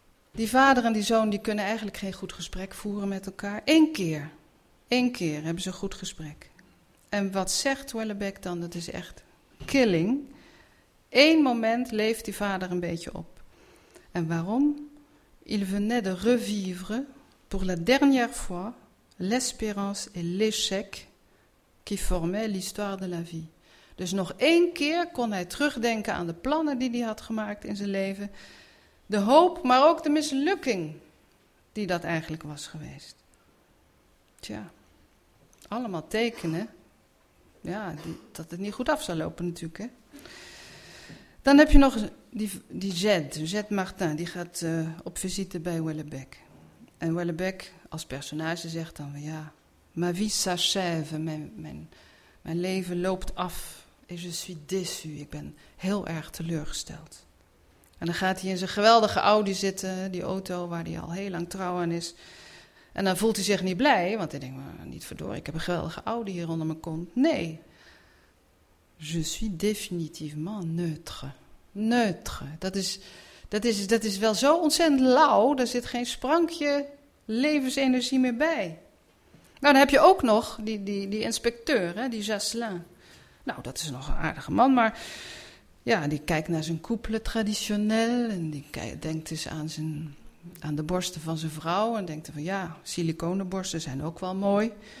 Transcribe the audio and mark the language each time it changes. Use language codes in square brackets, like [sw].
[nl] Die vader en die zoon die kunnen eigenlijk geen goed gesprek voeren met elkaar. Eén keer hebben ze een goed gesprek. En wat zegt Houellebecq dan? Dat is echt killing. Eén moment leeft die vader een beetje op. En waarom? [fr] Il venait de revivre pour la dernière fois l'espérance et l'échec qui formaient l'histoire de la vie. [nl] Dus nog één keer kon hij terugdenken aan de plannen die hij had gemaakt in zijn leven. De hoop, maar ook de mislukking die dat eigenlijk was geweest. Tja, allemaal tekenen. Ja, dat het niet goed af zou lopen natuurlijk. Hè? Dan heb je nog die Jed Martin, die gaat op visite bij Houellebecq. En Houellebecq als personage zegt dan, ja, [fr] ma vie s'achève, [nl] mijn leven loopt af. [fr] Et je suis déçu, [nl] ik ben heel erg teleurgesteld. En dan gaat hij in zijn geweldige Audi zitten, die auto waar hij al heel lang trouw aan is. En dan voelt hij zich niet blij, want hij denkt, niet verdorie, ik heb een geweldige Audi hier onder mijn kont. Nee, [fr] je suis définitivement neutre. [nl] Neutre, dat is wel zo ontzettend lauw, er zit geen sprankje levensenergie meer bij. Nou, dan heb je ook nog die inspecteur, hè, die Jasselin. Nou, dat is nog een aardige man, maar ja, die kijkt naar zijn couple traditioneel en die denkt dus aan de borsten van zijn vrouw en denkt van ja, siliconenborsten zijn ook wel mooi.